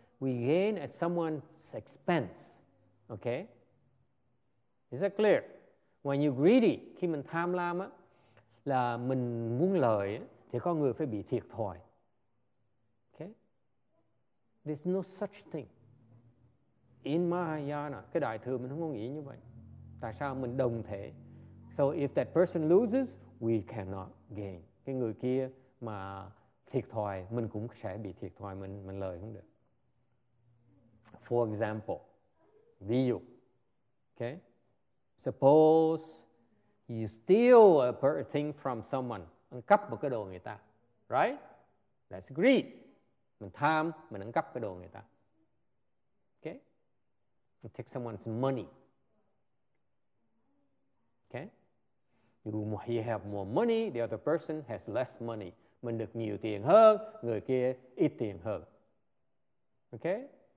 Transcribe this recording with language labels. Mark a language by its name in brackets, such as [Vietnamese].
[English] We gain at someone's expense. Okay? Is that clear? When you're greedy, [Vietnamese] khi mình tham lam á, là mình muốn lợi thì có người phải bị thiệt thòi. [English] Okay? There's no such thing. In Mahayana, [Vietnamese] cái đại thừa mình không có nghĩ như vậy. Tại sao mình đồng thể? [English] So if that person loses, we cannot gain. [Vietnamese] Cái người kia mà thiệt thòi, mình cũng sẽ bị thiệt thòi, mình lợi không được. [English] For example, [Vietnamese] ví dụ, [English] okay? Suppose you steal a thing from someone, [Vietnamese] ăn cắp một cái đồ người ta, [English] right? That's greed. [Vietnamese] Mình tham, mình ăn cắp cái đồ người ta. [English] Okay? You take someone's money. Okay? You have more money, the other person has less money. [Vietnamese] Mình được nhiều tiền hơn, người kia ít tiền hơn. [English] Okay?